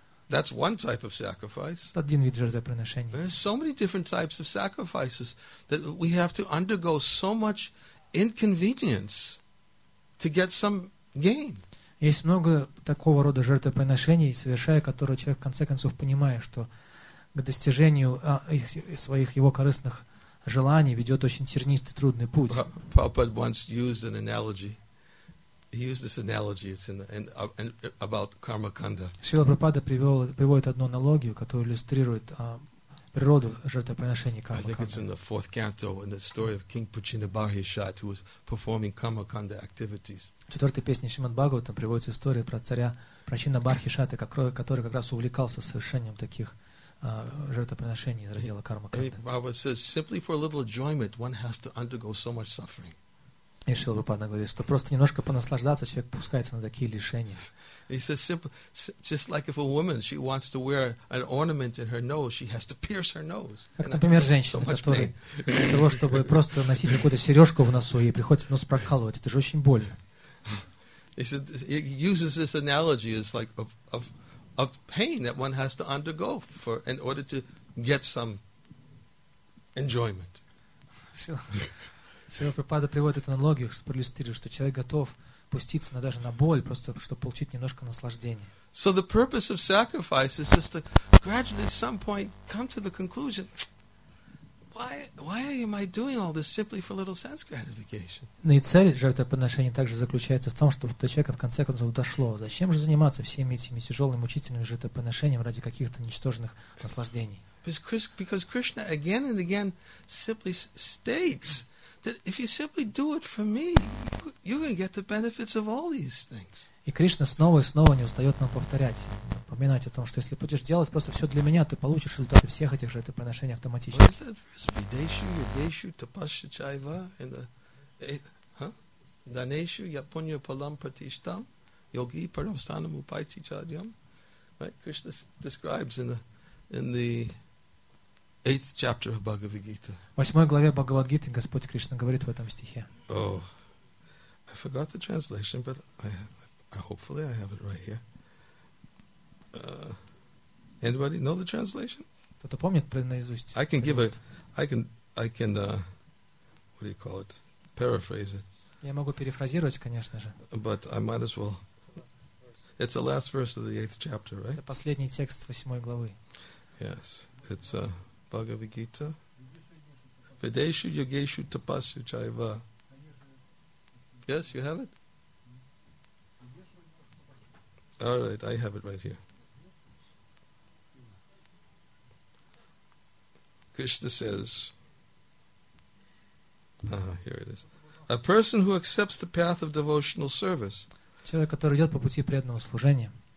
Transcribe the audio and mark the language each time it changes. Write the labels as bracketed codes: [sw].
[en] That's one type of sacrifice. [ru] Это один вид жертвоприношения. [en] There are so many different types of sacrifices that we have to undergo so much inconvenience to get some gain. [ru] Есть много такого рода жертвоприношений, совершая которые человек в конце концов понимает, что к достижению своих его корыстных желаний ведет очень тернистый, трудный путь. [en] Prabhupada once used an analogy. He used this analogy. It's in about Karmakanda. [ru] Шрила Прабхупада приводит одну аналогию, которая иллюстрирует природу жертвоприношений Кармаканда. [en] I think it's in the fourth canto in the story of King Puchinabhishat, who was performing Karmakanda activities. [ru] В четвертой песне Шримад-Бхагаватам приводится история про царя Прачина-Бархишаты, который как раз увлекался совершением таких жертвоприношений из раздела карма-канда. И Шрила Прабхупада говорит, что просто немножко понаслаждаться, человек пускается на такие лишения. [en] He says, just like if a woman, she wants to wear an ornament in her nose, she has to pierce her nose. [ru] Как, например, женщина, которая для того, чтобы просто носить какую-то сережку в носу, ей приходится нос прокалывать. Это же очень больно. [en] He said he uses this analogy as like of pain that one has to undergo for in order to get some enjoyment. [ru] Шрила Прабхупада приводит эту аналогию, чтобы проиллюстрировать, что человек готов пуститься на даже на боль просто чтобы получить немножко наслаждения. [en] So the purpose of sacrifice is just to gradually, at some point, come to the conclusion. Why am I doing all this simply for a little sense gratification? [ru] Но и цель жертвоприношения также заключается в том, чтобы до человека в конце концов дошло. Зачем же заниматься всеми этими тяжелыми, мучительными жертвоприношениями ради каких-то ничтожных наслаждений? [en] Because Krishna again and again simply states that if you simply do it for me, you can get the benefits of all these things. [ru] И Кришна снова и снова не устает нам повторять, напоминать о том, что если будешь делать просто все для меня, ты получишь результаты всех этих жертвоприношений автоматически. [en] What is that verse? [sa] Videshu, yadeshu, tapasya chaiva, and the daneshu, yapunya palam pratishtam, yogi paramstanam upaiti chadyam. [en] Right? Krishna describes in the 8th chapter of Bhagavad Gita. [ru] В 8 главе Бхагавад Гиты Господь Кришна говорит в этом стихе. [en] Oh, I forgot the translation, but hopefully I have it right here. Anybody know the translation? [ru] Кто-то помнит наизусть? [en] I can give it. I can. What do you call it? Paraphrase it. [ru] Я могу перефразировать, конечно же. [en] But I might as well. It's the last verse of the 8th chapter, right? [ru] Это последний текст 8 главы. [en] Yes, it's Bhagavad Gita. [sa] Videshu yogeshu tapasya chaiva. [en] Yes, you have it. All right, I have it right here. Krishna says, here it is. A person who accepts the path of devotional service, [ru] человек, который идет по пути преданного служения,